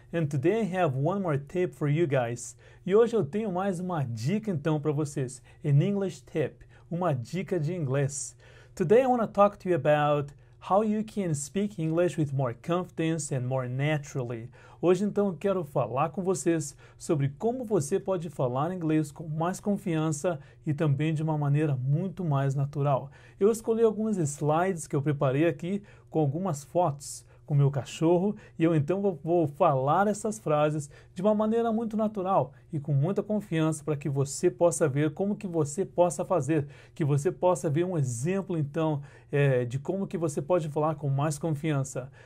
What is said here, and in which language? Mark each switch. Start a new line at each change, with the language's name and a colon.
English: And today I have one more tip for you guys.
Portuguese: E hoje eu tenho mais uma dica, então, para vocês.
English: An English tip.
Portuguese: Uma dica de inglês.
English: Today I want to talk to you about how you can speak English with more confidence and more naturally.
Portuguese: Hoje, então, eu quero falar com vocês sobre como você pode falar inglês com mais confiança e também de uma maneira muito mais natural. Eu escolhi alguns slides que eu preparei aqui com algumas fotos com meu cachorro e eu, então, vou falar essas frases de uma maneira muito natural e com muita confiança para que você possa ver como que você possa fazer, que você possa ver um exemplo, então, de como que você pode falar com mais confiança.